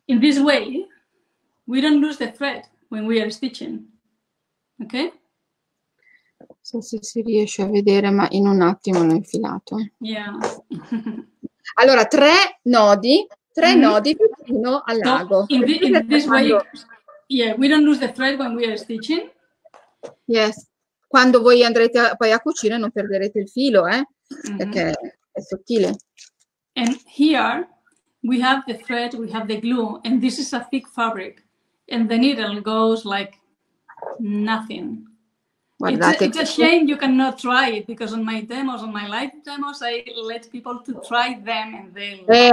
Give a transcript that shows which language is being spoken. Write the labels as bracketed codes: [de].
[en] In this way, we don't lose the thread when we are stitching. Okay? [it] So se si riesce a vedere, ma in un attimo l'ho infilato. [en] Yeah. [it] Allora, tre nodi, nodi vicino all'ago. [en] So in this way, yeah, we don't lose the thread when we are stitching. [it] Yes. Quando voi andrete poi a cucire non perderete il filo, eh? Mm-hmm. Perché è è sottile. [en] And here we have the thread, we have the glue, and this is a thick fabric, and the needle goes like nothing. [it] Guardate, [en] it's a shame you cannot try it, because on my demos, on my live demos, I let people to try them and they.